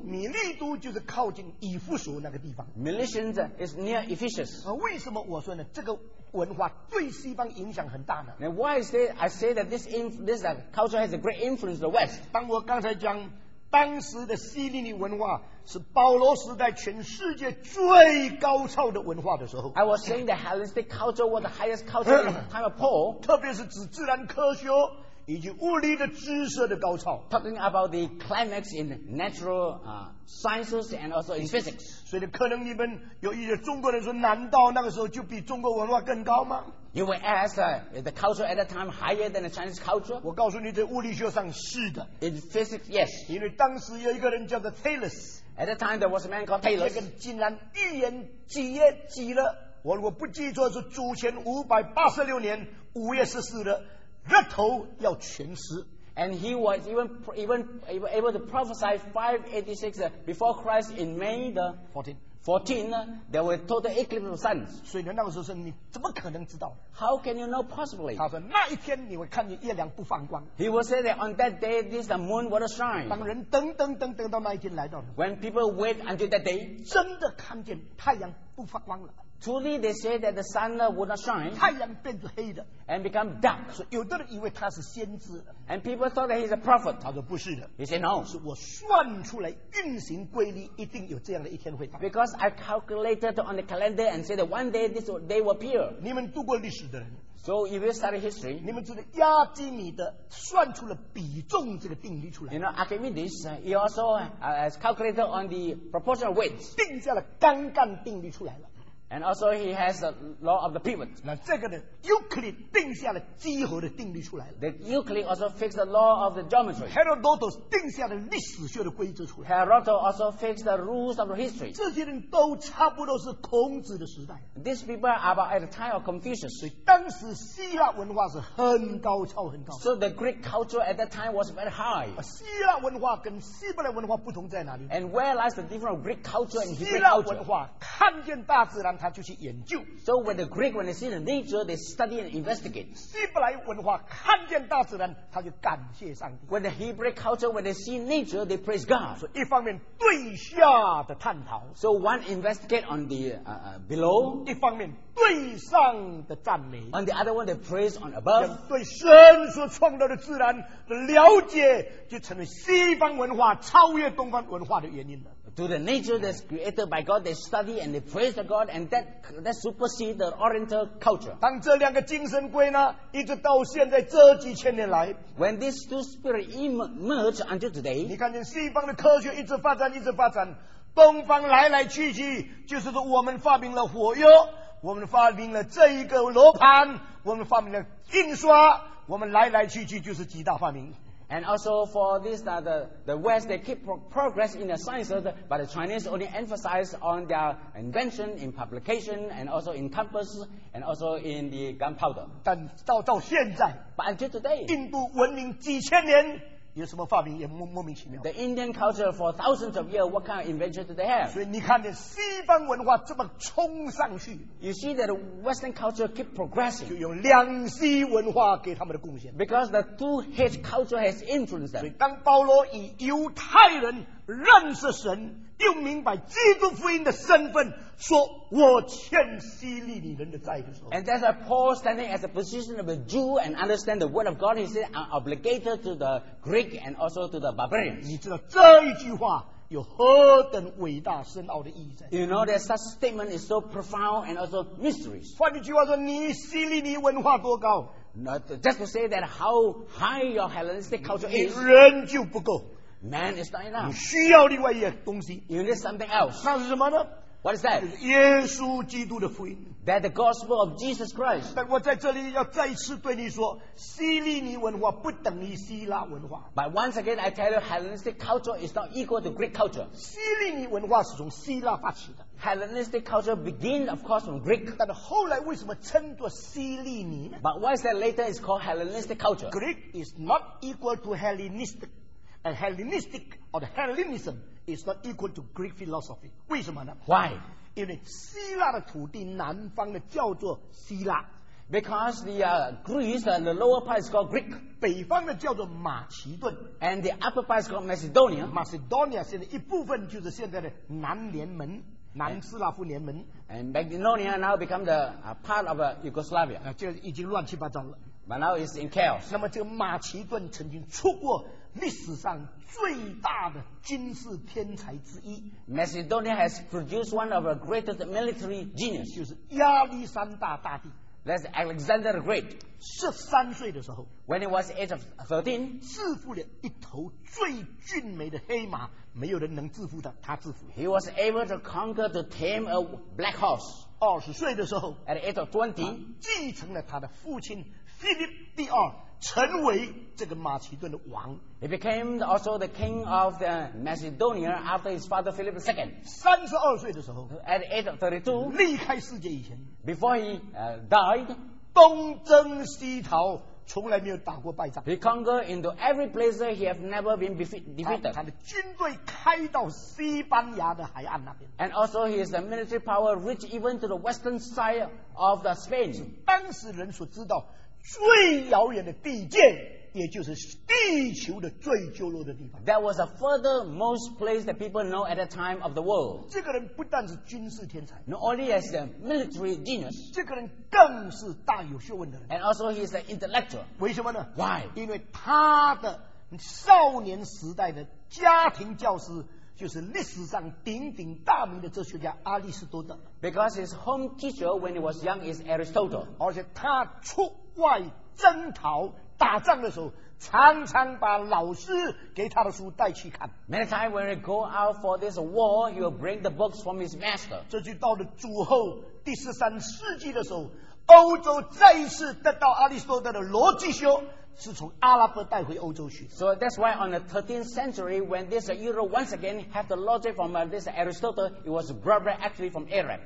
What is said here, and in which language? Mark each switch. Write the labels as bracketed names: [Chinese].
[Chinese] 米利都就是靠近以弗所那个地方。 [English] Miletians is near Ephesus. [Chinese] 为什么我说呢？这个文化对西方影响很大呢？ [English] Now why is that? I say that this culture has a great influence in the West. [Chinese] 当我刚才讲。当时的希腊文化是保罗时代全世界最高潮的文化的时候。 [English] I was saying the Hellenistic culture was the highest culture in the time of Paul. [Chinese] 特别是指自然科学以及物理的知识的高潮。 [English] Talking about the climax in natural sciences and also in physics. [Chinese] 所以可能你们有一些中国人说，难道那个时候就比中国文化更高吗？ [English] You will ask, is the culture at that time higher than the Chinese culture? [Chinese] 我告诉你，在物理学上是的。 [English] In physics, yes. [Chinese] 因为当时有一个人叫做 Thales. [English] At that time, there was a man called Thales. [Chinese] 这个竟然预言几月几了？我如果不记错，是主前586年5月14日，日头要全食。 [English] And he was even able to prophesy 586 before Christ in May the 14th. 14呢 there were total eclipse of suns. [Chinese] 所以呢那个时候是你怎么可能知道 [English] How can you know possibly? [Chinese] 他说那一天你会看见月亮不放光。 [English] He will say that on that day, this the moon will shine. [Chinese] 当人等等等等到那一天来到。 [English] When people wait until that day, [Chinese] 真的看见太阳不放光了。 [English] Truly, they say that the sun would not shine. [Chinese] 太阳变成黑的 [English] and become dark. [Chinese] 所以有的人以为他是先知 [English] and people thought that he's a prophet. [Chinese] 他说不是的 [English] he said no. [Chinese] 是我算出来运行规律一定有这样的一天会到 [English] because I calculated on the calendar and said that one day this day will appear. [Chinese] 你们读过历史的人 [English] so if you study history, [Chinese] 你们知道亚基米德算出了比重这个定律出来 [English] you know, Archimedes, he also has calculated on the proportional weights. [Chinese] 定下了杠杆定律出来了 [English] And also he has the law of the pivot. [Chinese] 那这个呢 ,Euclid 定下了几何的定律出来了。 [English] The Euclid also fixed the law of the geometry. [Chinese] Herodotus 定下了历史学的规则出来。 [English] Herodotus also fixed the rules of the history. [Chinese] 这些人都差不多是孔子的时代。 [English] These people are about at the time of Confucius. [Chinese] 所以当时希腊文化是很高超很高。 [English] So the Greek culture at that time was very high. [Chinese] 希腊文化跟希伯来文化不同在哪里 [English] ?And where lies the difference of Greek culture and Hebrew culture? [Chinese] 希腊文化看见大自然他就去研究。 [English] So when the Greek when they see the nature, they study and investigate. [Chinese] 希伯来文化看见大自然，他就感谢上帝。 [English] When the Hebrew culture when they see nature, they praise God. [Chinese] 所以一方面对下的探讨。 [English] So one investigate on the below. [Chinese] 一方面对上的赞美。 [English] On the other one, they praise on above. [Chinese] 对神所创造的自然的了解，就成了西方文化超越东方文化的原因了。 [English] To the nature that's created by God, they study and they praise the God, and that supersedes the Oriental culture. [Chinese] 当这两个精神归呢，一直到现在这几千年来 [English] ，when these two spirits emerge until today, [Chinese] 你看见西方的科学一直发展，一直发展，东方来来去去，就是说我们发明了火药，我们发明了这一个罗盘，我们发明了印刷，我们来来去去就是几大发明。 [English] And also for this, the West, they keep progress in the sciences, but the Chinese only emphasize on their invention in publication and also in compass and also in the gunpowder. [Chinese] 但到现在 [English] but until today, [Chinese] 印度文明几千年有什么发明也莫名其妙。 [English] The Indian culture for thousands of years, what kind of invention do they have? [Chinese] 所以你看见西方文化这么冲上去。 [English] You see that Western culture keep progressing. [Chinese] 就有两西文化给他们的贡献。 [English] Because the two head culture has influenced them. [Chinese] 所以当保罗以犹太人认识神，又明白基督福音的身份，说我欠希利尼人的债的时候 [English] ，And that's a Paul standing as a position of a Jew and understand the word of God. He said, "I'm obligated to the Greek and also to the barbarians." [Chinese] 你知道这一句话有何等伟大深奥的意义在 [English] ？You know that such statement is so profound and also mysterious. [Chinese] 换句话说，你希利尼文化多高 [English] ？Not just to say that how high your Hellenistic culture is. [Chinese] 人就不够。 [English] Man is not enough. [Chinese] 你需要另外一个东西。 [English] You need something else. [Chinese] 那是什么呢 [English] ？What is that? [Chinese] 耶稣基督的福音。 [English] That the gospel of Jesus Christ. [Chinese] 但我在这里要再次对你说，希利尼文化不等于希腊文化。 [English] But once again, I tell you, Hellenistic culture is not equal to Greek culture. [Chinese] 希利尼文化是从希腊发起的。 [English] Hellenistic culture began, of course, from Greek. [Chinese] 但后来为什么称作希利尼 [English] ？But why is that later is called Hellenistic culture? Greek is not equal to Hellenistic. A Hellenistic or the Hellenism is not equal to Greek philosophy. [Chinese] 为什么呢 [English] ？Why? [Chinese] 因为希腊的土地南方的叫做希腊。 [English] Because the Greece and the lower part is called Greek. [Chinese] 北方的叫做马其顿。 [English] And the upper part is called Macedonia. [Chinese] Macedonia 现在一部分就是现在的南联盟。南斯拉夫联盟 [English] and Macedonia now become the part of Yugoslavia. [Chinese] 这已经乱七八糟了。 [English] But now it's in chaos. [Chinese] 那么这个马其顿曾经出过历史上最大的军事天才之一。 [English] Macedonia has produced one of the greatest military genius. [Chinese] 就是亚历山大大帝。 [English] That's Alexander the Great. [Chinese] 13岁的时候 [English] ，when he was age of 13, [Chinese] 制服了一头最俊美的黑马，没有人能制服的，他制服。 [English] He was able to conquer to tame a black horse. [Chinese] 20岁的时候 [English] ，at the age of 20, [Chinese] 继承了他的父亲 Philip the Second, 成为这个马其顿的王。 [English] He became also the king of the Macedonia after his father Philip the Second. [Chinese] 32岁的时候 [English] ，at the age of 32, [Chinese] 离开世界以前。 [English] Before he died, [Chinese] 东征西讨，从来没有打过败仗。 [English] He conquered into every place he has never been defeated. [Chinese] 他的军队开到西班牙的海岸那边。 [English] And also his military power reached even to the western side of the Spain. [Chinese] 当时人所知道最遥远的地界，也就是地球的最角落的地方。 [English] That was the furthermost place that people know at that time of the world. [Chinese] 这个人不但是军事天才 [English] ，not only as a military genius. [Chinese] 这个人更是大有学问的人。 [English] And also he is an intellectual. [Chinese] 为什么呢 [English] ？Why？ [Chinese] 因为他的少年时代的家庭教师就是历史上鼎鼎大名的哲学家阿里士多德。 [English] Because his home teacher when he was young is Aristotle. [Chinese] 而且他出外征讨。打仗的时候常常把老师给他的书带去看。 [English] Many times when he go out for this war, he will bring the books from his master. [Chinese] 这就到了主后第十三世纪的时候，欧洲再一次得到阿里士多德的逻辑学是从阿拉伯带回欧洲去。 [English] So that's why on the 13th century, when this Europe once again had the logic from this Aristotle, it was brought back actually from Arab.